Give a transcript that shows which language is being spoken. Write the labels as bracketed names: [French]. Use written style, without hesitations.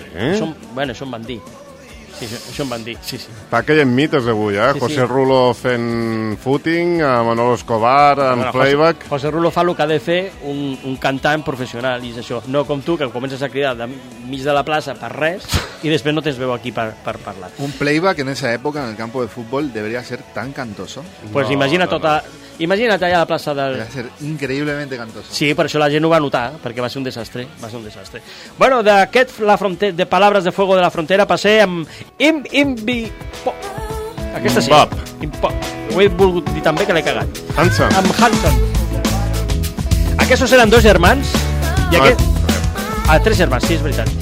[Catalan] Això em van dir. Sí, això em van dir, sí, sí. Està caient mites avui, eh? Sí, José Rulo fent footing, Manolo Escobar en bueno, playback... José Rulo fa el que ha de fer un cantant professional, i és això. No com tu, que comences a cridar de mig de la plaça per res i després no tens veu aquí per parlar. [Spanish] Un playback en esa època, en el campo de futbol, debería ser tan cantoso. Pues no, imagina no, [Catalan] tota... No. Imagina't allà a la plaça del... [Spanish] Debería ser increíblemente cantoso. [Catalan] Sí, per això la gent ho va notar, perquè va ser un desastre. Va ser un desastre. Bueno, d'aquest La Frontera, de Palabras de Fuego de La Frontera, passé amb... Imbipop. Aquesta sí. Imbipop. Ho he volgut dir també que l'he cagat. Hanson. Amb Hanson. Aquests eren dos germans. I aquest... A tres germans, sí, és veritat.